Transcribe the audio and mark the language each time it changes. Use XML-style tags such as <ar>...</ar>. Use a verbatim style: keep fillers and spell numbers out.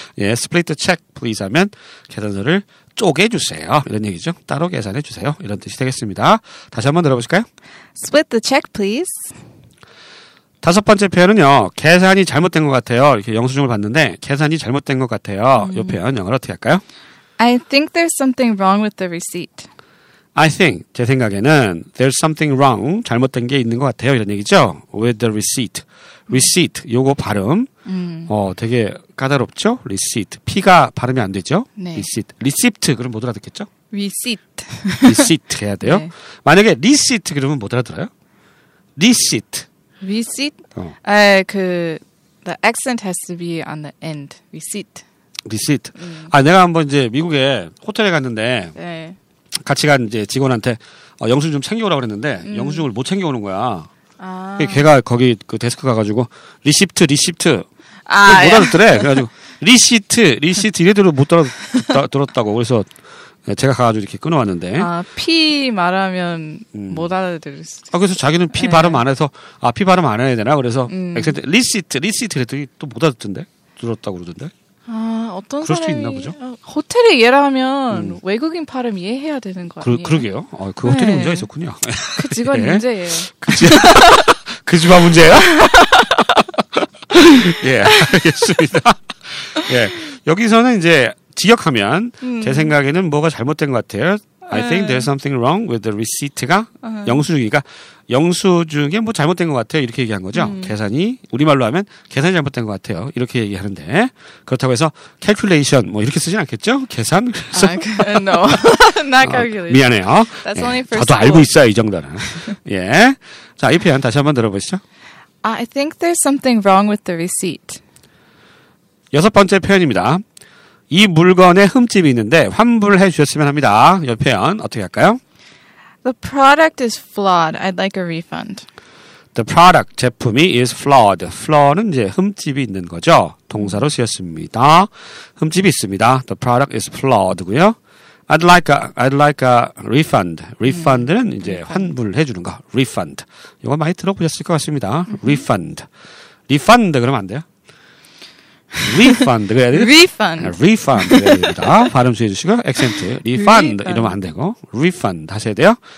<ko>예,</ko> <en>split the check please</en> <ko>하면 계산서를 쪼개 주세요. 이런 얘기죠. 따로 계산해 주세요. 이런 뜻이 되겠습니다. 다시 한번 들어보실까요?</ko> <en>Split the check please.</en> <ko>다섯 번째 표현은요. 계산이 잘못된 것 같아요. 이렇게 영수증을 봤는데 계산이 잘못된 것 같아요. 음. 이 표현 영어로 어떻게 할까요?</ko> <en>I think there's something wrong with the receipt. I think,</en> <ko>제 생각에는</ko> <en>there's something wrong,</en> <ko>잘못된 게 있는 것 같아요. 이런 얘기죠.</ko> <en>With the receipt.</en> <ko>receipt, 요거 발음. 음. 어, 되게 까다롭죠? receipt. P가 발음이 안 되죠? 네.</ko> <en>receipt.</en> <ko>receipt, 그럼 못 알아듣겠죠?</ko> <en>receipt.</en> <ko>receipt 해야 돼요. 네. 만약에 receipt, 그러면 못 알아들어요?</ko> <en>receipt. receipt? 어. 아, 그, the accent has to be on the end. receipt. receipt. 음.</en> <ko>아, 내가 한번 이제 미국에 호텔에 갔는데. 네. 같이 간 이제 직원한테 어, 영수증 좀 챙겨오라고 그랬는데 음. 영수증을 못 챙겨오는 거야. 아. 걔가 거기 그 데스크 가가지고 리시프트 리시프트 아, 못 알아듣더래. 그래가지고 리시트 리시트 이래대로 못 알아들었다고. 그래서 제가 가가지고 이렇게 끊어왔는데. 아, 피 말하면 음. 못 알아들을 수. 아, 그래서 자기는 피 네. 발음 안 해서 아, 피 발음 안 해야 되나? 그래서 음. 액센트 리시트 리시트 그랬더니 또 못 알아듣던데. 들었다고 그러던데. 아, 어떤 그럴 사람이 수도 있나 보죠? 아, 호텔에 이해하면 음. 외국인 발음 이해해야 되는 거 아니에요? 그, 그러게요. 아, 그 호텔이 네. 문제가 있었군요. 그 직원 예. 문제예요. 그, 지... 그 집안 문제예요? 예, 알겠습니다. 예, 여기서는 이제 지역하면 음. 제 생각에는 뭐가 잘못된 것 같아요.</ko> <en>I think there's something wrong with the receipt가 음.</en> <ko>영수증이니까 영수증에 뭐 잘못된 것 같아요. 이렇게 얘기한 거죠. 음. 계산이 우리말로 하면 계산이 잘못된 것 같아요. 이렇게 얘기하는데 그렇다고 해서 calculation 뭐 이렇게 쓰진 않겠죠? 계산?</ko> <en>아, no, not calculation.</en> <ko>어, 미안해요.</ko> <en>That's</en> <ko>예,</ko> <en>only for</en> <ko>저도 알고 있어요. 이 정도는. 예, 자, 이 표현 다시 한번 들어보시죠.</ko> <en>I think there's something wrong with the receipt.</en> <ko>여섯 번째 표현입니다. 이 물건에 흠집이 있는데 환불해 주셨으면 합니다. 이 표현 어떻게 할까요?</ko> <en>The product is flawed. I'd like a refund. The product, 제품이 is flawed.</en> <ko>flaw는 이제 흠집이 있는 거죠. 동사로 쓰였습니다. 흠집이 있습니다.</ko> <en>The product is flawed고요. I'd like a, I'd like a refund.</en> <ko>refund는 음, 이제 refund. 환불해 주는 거. refund. 이거 많이 들어보셨을 것 같습니다.</ko> <en>음. refund.</en> <ko>refund 그러면 안 돼요? refund 그래야 돼요.</ko> <en>refund.</en> <ko>refund 그래야 됩니다. 발음 주의해 주시고 액센트. refund 이러면 안 되고 refund 하셔야 돼요.</ko>